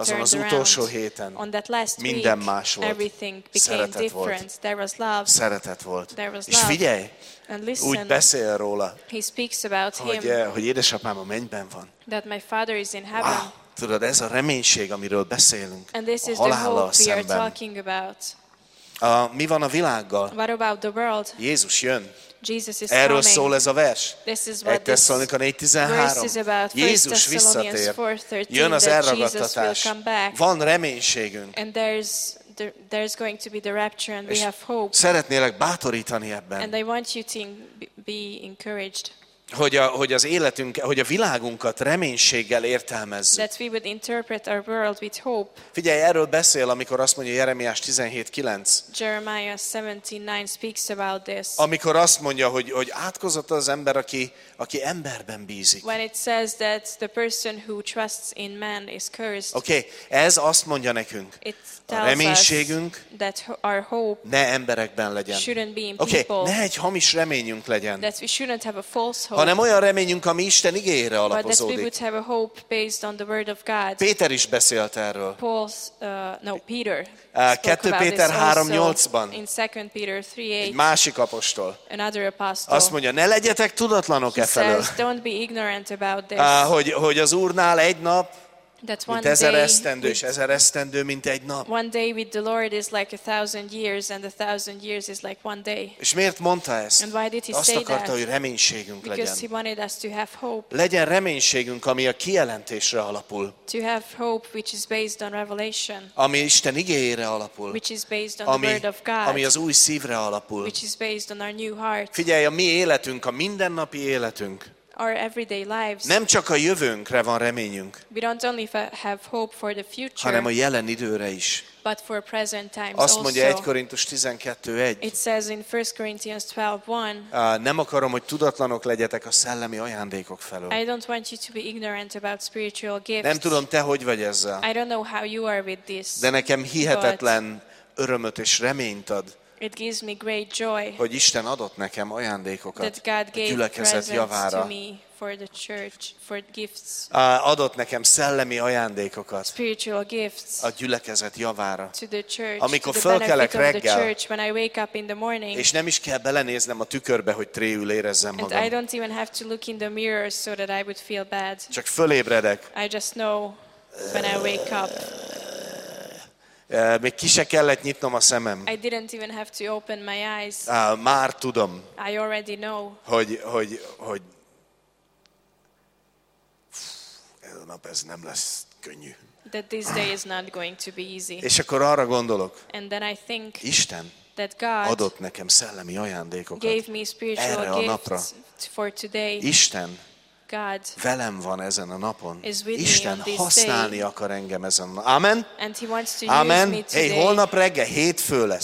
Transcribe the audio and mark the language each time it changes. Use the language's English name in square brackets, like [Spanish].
[Hungarian] azon az utolsó héten. [English] On that last [Hungarian] minden [English] week, [Hungarian] más volt. [English] Everything became [Hungarian] szeretet [English] different. [Hungarian] Volt. [English] There was love. [Hungarian] Szeretet volt. [English] There was [Hungarian] és [English] love. [Hungarian] Figyelj, [English] And listen, [Hungarian] úgy beszél róla, [English] he speaks about [Hungarian] hogy, [English] him, [Hungarian] hogy édesapám a mennyben van. [English] That my father is in heaven. [Hungarian] Wow, tudod, ez a reménység, amiről beszélünk. [English] And this is the hope we are talking about. [Hungarian] Mi van a világgal? [English] What about the world? [Hungarian] Jézus jön. [English] Jesus is [Hungarian] erről [English] coming. [Hungarian] Szól ez a vers. [English] This is what this verse is about. [Hungarian] Jézus visszatér. Jön az elragadtatás. Van reménységünk. [English] And there's going to be the rapture and we have hope. [Hungarian] Szeretnélek bátorítani ebben. [English] And I want you to be encouraged. [Hungarian] Hogy az életünk, hogy a világunkat reménységgel értelmezzük. [English] That we would interpret our world with hope. [Hungarian] Figyelj, erről beszél, amikor azt mondja Jeremiás 17:9. [English] Jeremiah 17:9 speaks about this. [Hungarian] Amikor azt mondja, hogy átkozott az ember, aki emberben bízik. [English] When it says that the person who trusts in man is cursed. [Hungarian] Okay, ez azt mondja nekünk. [English] It tells [Hungarian] a reménységünk [English] us that our hope [Hungarian] ne emberekben legyen. [English] Shouldn't be in people. [Hungarian] Okay, ne egy hamis reményünk legyen. [English] That we shouldn't have a false hope. [Hungarian] Hanem olyan reményünk, ami Isten igéjére alapozódik. [English] But that we would have a hope based on the word of God. [Hungarian] Péter is beszélt erről. [English] Peter. [Hungarian] 2 Péter 3:8-ban. [English] In 2 Peter 3:8. [Hungarian] Egy másik apostol. [English] Another apostle. [Hungarian] Azt mondja, ne legyetek tudatlanok. [English] He says, don't be ignorant about this. [Hungarian] Hogy az Úrnál egy nap, [English] that [Hungarian] mint ezer esztendő, és ezer esztendő, mint egy nap. [English] One day with the Lord is like a thousand years, and a thousand years is like one day. [Hungarian] És miért mondta ezt? [English] And why did he [Hungarian] azt [English] say [Hungarian] akarta, [English] that? [Hungarian] Hogy reménységünk [English] because [Hungarian] legyen. [English] Because he wanted us to have hope. [Hungarian] Legyen reménységünk, ami a kijelentésre alapul. [English] To have hope, which is based on revelation. [Hungarian] Ami Isten igéjére alapul. [English] Which is based on the word of God. [Hungarian] Ami az új szívre alapul. [English] Which is based on our new heart. [Hungarian] Figyelj, a mi életünk, a mindennapi életünk. [English] Our everyday lives. [Hungarian] Nem csak a jövőnkre van reményünk. [English] We don't only have hope for the future. [Hungarian] Hanem a jelen időre is. [English] But for present times also. [Hungarian] Azt mondja [English] also, [Hungarian] 1 Korintus 12:1. [English] It says in 1 Corinthians 12:1. [Hungarian] Nem akarom, hogy tudatlanok legyetek a szellemi ajándékok felől. [English] I don't want you to be ignorant about spiritual gifts. [Hungarian] Nem tudom, te hogy vagy ezzel. [English] I don't know how you are with this. [Hungarian] De nekem hihetetlen örömöt és reményt ad. [English] It gives me great joy. [Hungarian] Hogy Isten adott nekem ajándékokat. [English] That God gave [Hungarian] a gyülekezet javára. [English] To me for the church, for gifts. [Hungarian] Adott nekem szellemi ajándékokat. [English] Spiritual gifts. [Hungarian] A gyülekezet javára. [English] To the church. [Hungarian] Amikor [English] to the [Hungarian] fölkelek reggel. [English] The church, when I wake up in the morning. [Hungarian] És nem is kell belenéznem a tükörbe, hogy tréül érezzem magam. [English] And I don't even have to look in the mirror so that I would feel bad. [Hungarian] Csak fölébredek. [English] I just know when I wake up. [Hungarian] Még ki se kellett nyitnom a szemem. [English] I didn't even have to open my eyes. [Hungarian] Már tudom. [English] I already know. [Hungarian] Hogy ez a nap ez nem lesz könnyű. [English] That this day is not going to be easy. [Hungarian] És akkor arra gondolok. [English] And then I think. [Hungarian] Isten. [English] That God [Hungarian] adott nekem szellemi ajándékokat. [English] Gave me spiritual [Hungarian] erre a napra. [English] For today. [Hungarian] Isten. [English] God [Hungarian] velem van ezen a napon. [English] Is with [Hungarian] Isten [English] me on this [Hungarian] használni [English] day. [Hungarian] Akar engem ezen a napon. Amen. [English] And he wants to amen. Use me today. [Hungarian] Hey, holnap reggel, hétfő lesz.